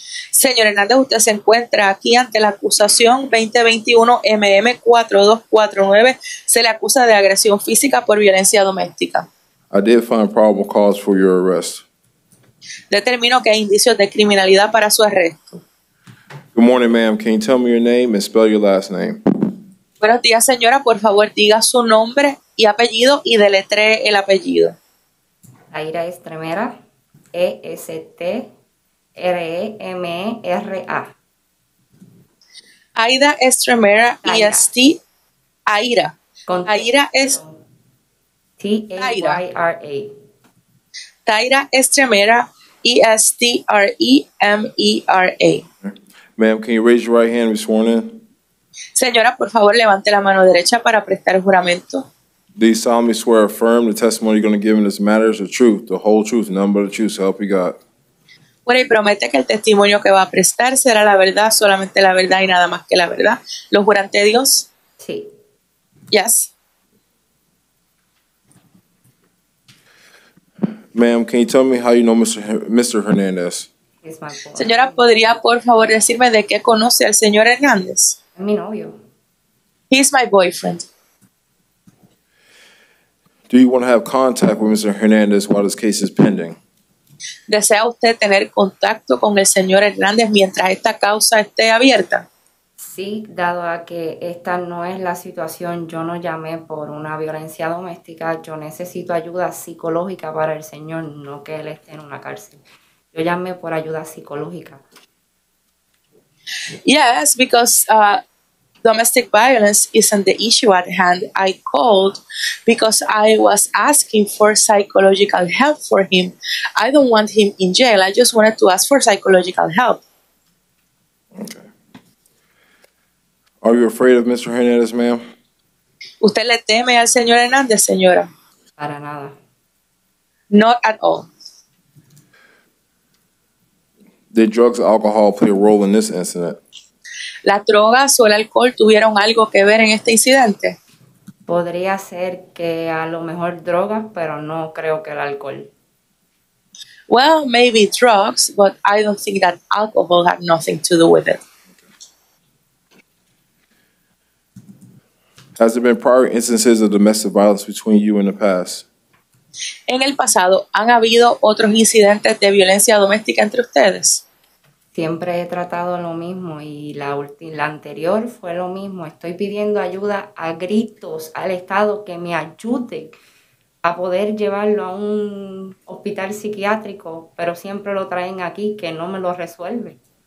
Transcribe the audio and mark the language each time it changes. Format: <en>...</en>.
<es>Señor Hernández, usted se encuentra aquí ante la acusación 2021 MM4249. Se le acusa de agresión física por violencia doméstica.</es> <en>I did find probable cause for your arrest.</en> <es>Determino que hay indicios de criminalidad para su arresto.</es> <en>Good morning, ma'am. Can you tell me your name and spell your last name?</en> <es>Buenos días, señora. Por favor, diga su nombre y apellido y deletree el apellido. Aira Estremera, E-S-T-R-E-M-E-R-A. Aida Estremera, Aira. E-S-T, Aira. Con Aira es... T-A-Y-R-A. Taira Estremera, E-S-T-R-E-M-E-R-A.</es> <en>Ma'am, can you raise your right hand and be sworn in?</en> <es>Señora, por favor, levante la mano derecha para prestar juramento.</es> <en>Do you solemnly swear or affirm the testimony you're going to give in this matter is the truth, the whole truth, and none but the truth, so help you God?</en> <es>Bueno, y promete que el testimonio que va a prestar será la verdad, solamente la verdad y nada más que la verdad. ¿Lo jura ante Dios? Sí.</es> <en>Yes. Ma'am, can you tell me how you know Mr. Hernandez?</en> <es>Señora, ¿podría por favor decirme de qué conoce al señor Hernández? Mi novio.</es> <en>He's my boyfriend. Do you want to have contact with Mr. Hernandez while this case is pending?</en> <es>¿Desea usted tener contacto con el señor Hernández mientras esta causa esté abierta? Sí, dado a que esta no es la situación, yo no llamé por una violencia doméstica. Yo necesito ayuda psicológica para el señor, no que él esté en una cárcel. Yo llamé por ayuda psicológica.</es> <en>Yes, because domestic violence isn't the issue at hand. I called because I was asking for psychological help for him. I don't want him in jail. I just wanted to ask for psychological help. Okay. Are you afraid of Mr. Hernandez, ma'am?</en> <es>¿Usted le teme al señor Hernández, señora? Para nada.</es> <en>Not at all. Did drugs or alcohol play a role in this incident?</en> <es>¿Las drogas o el alcohol tuvieron algo que ver en este incidente? Podría ser que a lo mejor drogas, pero no creo que el alcohol.</es> <en>Well, maybe drugs, but I don't think that alcohol had nothing to do with it. Has there been prior instances of domestic violence between you in the past?</en> <es>En el pasado, ¿han habido otros incidentes de violencia doméstica entre ustedes? Siempre he tratado lo mismo y la anterior fue lo mismo. Estoy pidiendo ayuda a gritos al Estado que me ayude a poder llevarlo a un hospital psiquiátrico, pero siempre lo traen aquí que no me lo resuelve.</es>